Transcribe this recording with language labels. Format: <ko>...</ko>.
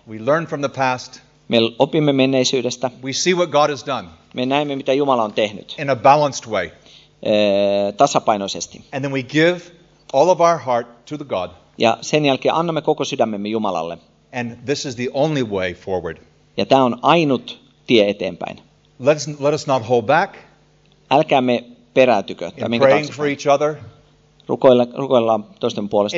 <en>We learn from the past.</en> <fi>Me opimme menneisyydestä.</fi> <en>We see what God has done.</en> <fi>Me näemme, mitä Jumala on tehnyt.</fi> <en>In a balanced way.</en> <fi>Tasapainoisesti.</fi> <en>And then we give all of our heart to the God.</en> <fi>Ja sen jälkeen annamme koko sydämemme Jumalalle.</fi> <en>And this is the only way forward.</en> <fi>Ja tämä on ainut tie eteenpäin.</fi> <en>Let us not hold back.</en> <fi>Älkäämme peräytykö.</fi> <en>In praying for each other.</en> <fi>Rukoillaan toisten puolesta.</fi>